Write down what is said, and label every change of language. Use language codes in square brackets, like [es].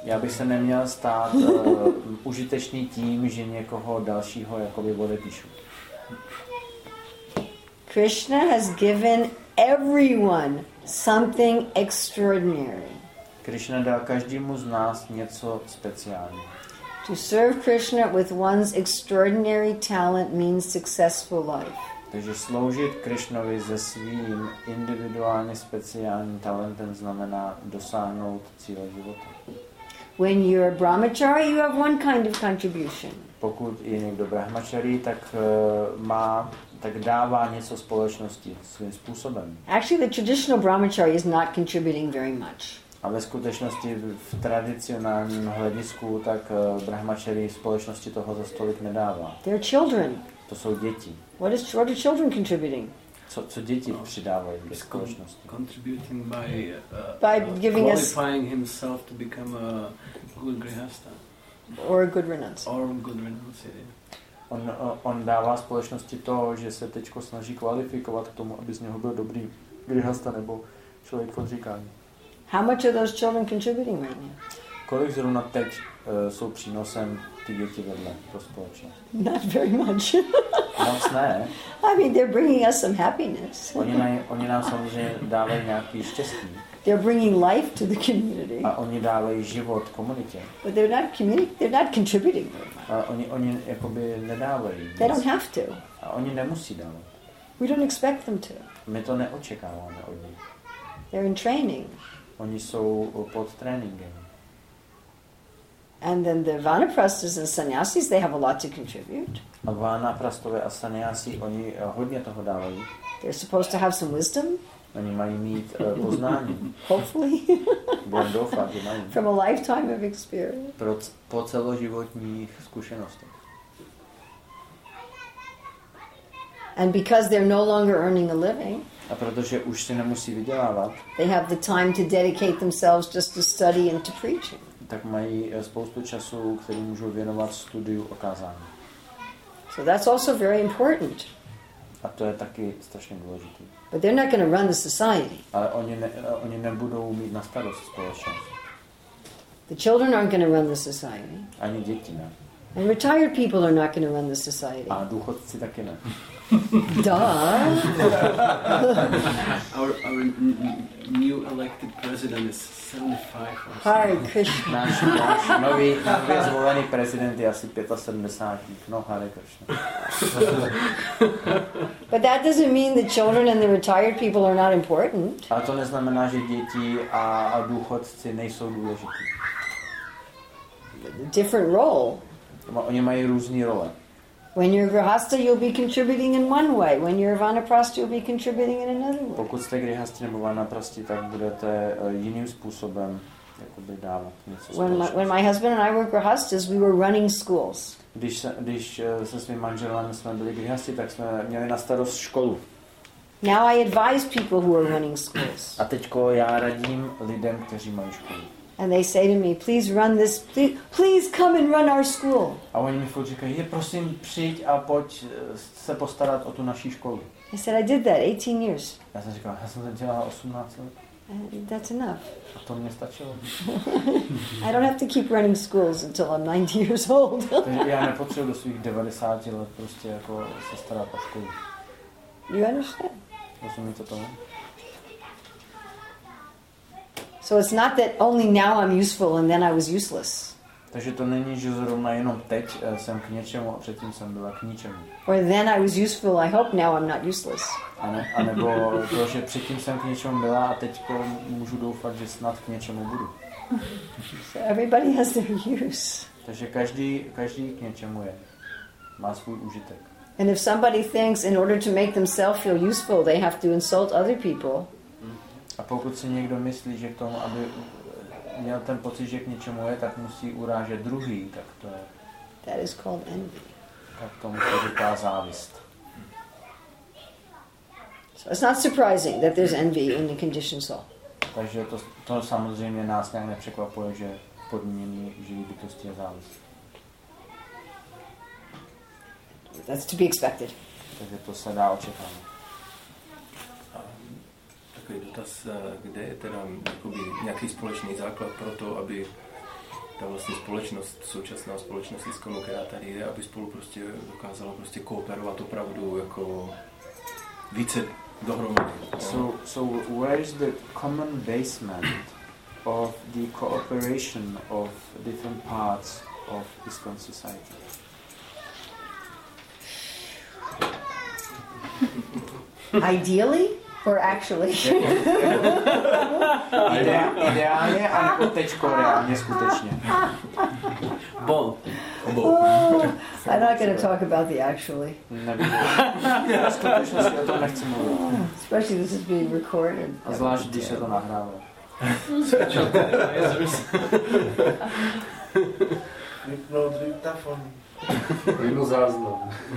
[cs] Já bych se neměl stát užitečný tím, že někoho dalšího jakoby odepíšu. [en] Krishna has given everyone something extraordinary. [cs] Krishna dal každému z nás něco speciálního. [en] To serve Krishna with one's extraordinary talent means successful life. [cs] Takže sloužit Krishnovi se svým individuálně speciálním talentem znamená dosáhnout cíle života. [en] When you're a brahmachari, you have one kind of contribution. [cs] Pokud je někdo brahmachari, tak má, tak dává něco společnosti svým způsobem. [en] Actually, the traditional brahmachari is not contributing very much. [cs] A ve skutečnosti v tradicionálním hledisku, tak brahmachari společnosti toho za stolik nedává. [en] They're children. [cs] To jsou děti. [en] What are children contributing? [cs] Co děti přidávají ve společnosti? [en] Contributing by giving qualifying himself to become a good grihastha. Or a good renunciate. Or a good renunciate. [cs] On dává společnosti to, že se teďko snaží kvalifikovat k tomu, aby z něho byl dobrý grihastha nebo člověk v odříkání. [en] How much are those children contributing right now? [cs] Kolik zrovna teď jsou přínosem ty děti vedle pro společnost? [en] Not very much. [cs] Moc ne. [en] I mean, they're bringing us some happiness. [cs] Oni nám samozřejmě dávají nějaký štěstí. [en] They're bringing life to the community. [cs] A oni dávají život komunitě. [en] But they're not contributing. [cs] A oni jakoby nedávají. [en] They don't have to. [cs] A oni nemusí dávat. [en] We don't expect them to. [cs] My to neočekáváme od nich. [en] They're in training. [cs] Oni jsou pod tréninkem. [en] And then the vanaprastas and sannyasis, they have a lot to contribute. [cs] A vanaprastové a sannyasi, oni hodně toho dávají. [en] They're supposed to have some wisdom. [cs] Oni mají mít poznání. [en] Hopefully. [cs] Budem doufat, že mají. [en] From a lifetime of experience. [cs] Po celoživotních zkušenostech. [en] And because they're no longer earning a living. [cs] A protože už si nemusí vydělávat. [en] They have the time to dedicate themselves just to study and to preach. [cs] Tak mají spoustu času, který můžou věnovat studiu a kázání. [en] So that's also very important. [cs] A to je taky strašně důležité. [en] But they're not going to run the society. [cs] Ale oni nebudou mít na starost společnost. [en] The children aren't going to run the society. [cs] Ani děti ne. [en] And retired people are not going to run the society. [cs] A důchodci taky ne. [en] Duh. our new elected president is 75. Hare Krishna. [cs] Náš nový zvolený prezident je asi 75. [en] No, Hare Krishna. But that doesn't mean the children and the retired people are not important. [cs] A to neznamená, že děti a důchodci nejsou důležití. [en] Different role. [cs] Oni mají různý role. [en] When you're grihastha, you'll be contributing in one way. When you're vanaprastha, you'll be contributing in another way. [cs] Pokud jste grihastha nebo vanaprastha, tak budete jiným způsobem jakoby dávat něco. [en] When my husband and I were grihasthas, we were running schools. [cs] Když se svým manželem jsme byli grihasthi, tak jsme měli na starost školu. [en] Now I advise people who are running schools. [cs] A teďko já radím lidem, kteří mají školu. [en] And they say to me, please run this, please come and run our school. [cs] A oni mi furt říkají, prosím, přijď a pojď se postarat o tu naši školu. [en] I said, I did that 18 years. [cs] Já jsem říkal, já jsem to dělal 18 let. [en] And that's enough. [cs] A to mě stačilo. [en] I don't have to keep running schools until I'm 90 years old. [cs] Takže já nepotřebuji do svých 90 let prostě jako se starat o školu. [en] You understand? [cs] Rozumíte tomu? [en] So it's not that only now I'm useful and then I was useless. [cs] Takže to není, že zrovna jenom teď jsem k něčemu a předtím jsem byla k ničemu. [en] Or then I was useful, I hope now I'm not useless. [cs] Anebo to, že předtím jsem k něčemu byla a teď můžu doufat, že snad k něčemu budu. [en] So everybody has their use. [cs] Takže každý k něčemu je. Má svůj užitek. [en] And if somebody thinks in order to make themselves feel useful, they have to insult other people. [cs] A pokud si někdo myslí, že k tomu, aby měl ten pocit, že k něčemu je, tak musí urážet druhý, tak to je. [en] That is called envy. [cs] Tak tomu se říká závist. [en] So it's not surprising that there's envy in the conditioned soul. [cs] Takže to samozřejmě nás nějak nepřekvapuje, že podmíněný živý bytosti je závist. [en] That's to be expected. [cs] Takže to se dá očekávat. Takový dotaz, kde je teda jakoby nějaký společný základ pro to, aby ta vlastně společnost, současná společnost Iskonu, která tady je, aby spolu prostě dokázala prostě kooperovat opravdu jako více dohromady. [en] So where is the common basement of the cooperation of different parts of Iskon society? Ideally? Or actually. [cs] Ideálně a nebo tečko reálně skutečně. Bol. [en] Oh, I'm not going to talk about the actually. [cs] Skutečně si o tom nechci mluvit. [en] Especially this is being recorded. [cs] A zvlášť, když se to nahrávalo. Vypnul driptafon. Vypnul záznam.